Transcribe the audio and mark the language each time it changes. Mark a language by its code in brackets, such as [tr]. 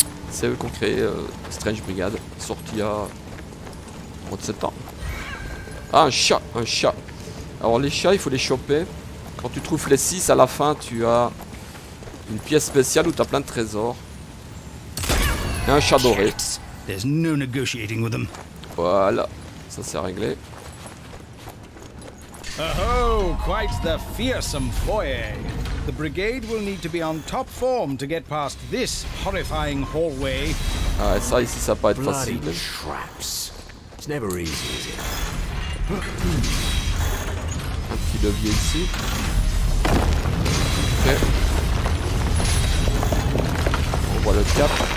[fr] C'est eux qui ont créé Strange Brigade, sorti à moins de 7 ans. Ah, un chat, un chat. Alors les chats, il faut les choper. Quand tu trouves les 6, à la fin, tu as une pièce spéciale où tu as plein de trésors. Et un chat doré. [en] There's no negotiating with them. [fr] Voilà, ça c'est réglé. [en] Oh, quite the fearsome foyer. The brigade will need to be on top form to get past this horrifying hallway. [fr] Ah, ça ici, ça peut être facile. [en] Bloody traps. It's never easy, is it? [fr] Un petit levier ici. Ok. On voit le cap.